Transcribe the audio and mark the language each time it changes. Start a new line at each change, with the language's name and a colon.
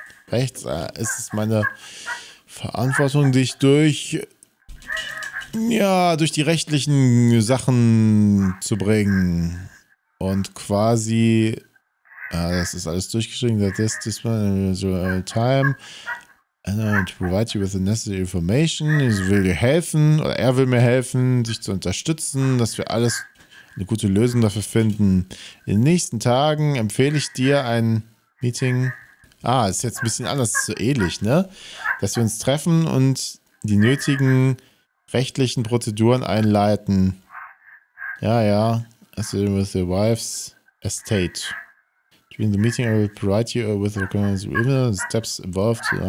German: Es ist meine Verantwortung, dich durch die rechtlichen Sachen zu bringen. Und quasi, das ist alles durchgeschrieben,
English: this one is real time. And I'm to provide you with the necessary information.
German: Er will mir helfen, dich zu unterstützen, dass wir alles eine gute Lösung dafür finden. In den nächsten Tagen empfehle ich dir ein Meeting. Ah, ist jetzt ein bisschen anders, ist so ähnlich, ne? Dass wir uns treffen und die nötigen rechtlichen Prozeduren einleiten. Ja.
English: Also with your wife's estate. During the meeting I will provide you with the steps involved.